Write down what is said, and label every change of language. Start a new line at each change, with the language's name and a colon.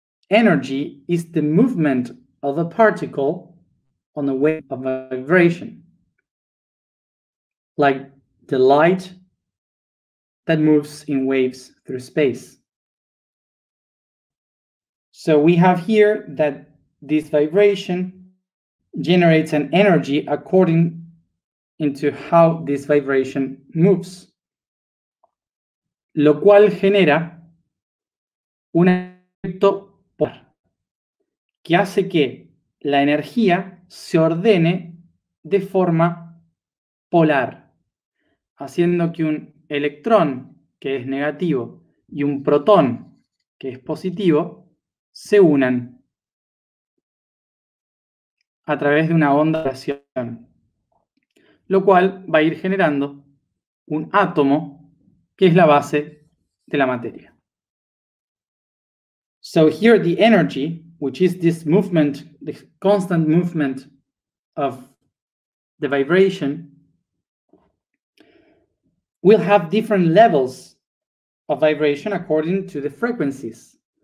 English: Energy is the movement of a particle on a wave of a vibration, like the light that moves in waves through space. So we have here that this vibration generates an energy according into how this vibration moves.
Spanish: Lo cual genera un efecto polar que hace que la energía se ordene de forma polar, haciendo que un electrón, que es negativo, y un protón, que es positivo, se unan a través de una onda de acción, lo cual va a ir generando un átomo, que es la base de la materia.
English: So here the energy, which is this movement, this constant movement of the vibration, will have different levels of vibration according to the frequencies.